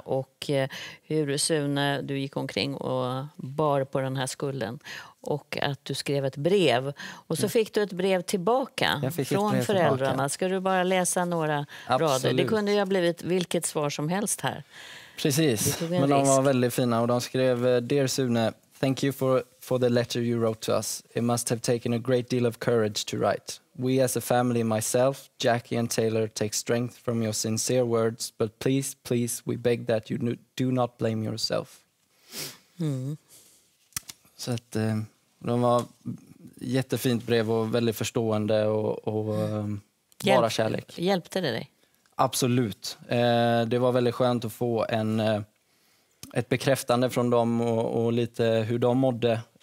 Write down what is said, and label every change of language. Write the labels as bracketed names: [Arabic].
[Swedish] Och hur Sune, du gick omkring och bar på den här skulden. Och att du skrev ett brev. Och så fick du ett brev tillbaka från föräldrarna. Ska du bara läsa några rader? Det kunde ju ha blivit vilket svar som helst här. Precis, men de var väldigt fina. Och de skrev, [English] dear Sune, thank you for the letter you wrote to us. It must have taken a great deal of courage to write. We as a family, myself, Jackie and Taylor, take strength from your sincere words, but please, please, we beg that you do not blame yourself. [Swedish] Så att de var jättefint brev och väldigt förstående och bara kärlek. Hjälpte det dig? Absolut. Det var väldigt skönt att få ett bekräftande från dem och lite hur de mådde.